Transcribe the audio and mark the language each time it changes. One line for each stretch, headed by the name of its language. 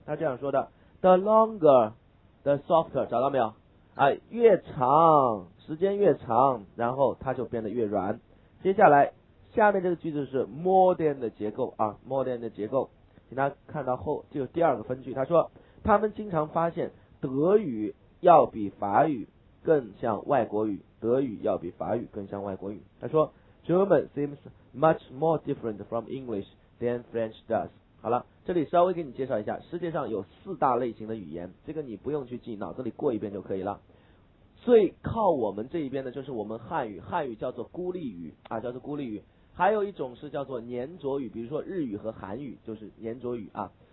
Chinese: 他这样说的，
English: the longer the softer，
Chinese: 找到没有啊，越长时间越长，然后它就变得越软。接下来下面这个句子是 more than 的结构啊， more than 的结构，请大家看到后就第二个分句，他说他们经常发现德语要比法语更像外国语，德语要比法语更像外国语。
English: 他说 German seems much more different from English than French does。
Chinese: 好了，这里稍微给你介绍一下，世界上有四大类型的语言，这个你不用去记，脑子里过一遍就可以了。最靠我们这一边的就是我们汉语，汉语叫做孤立语啊，叫做孤立语。还有一种是叫做粘着语，比如说日语和韩语就是粘着语啊。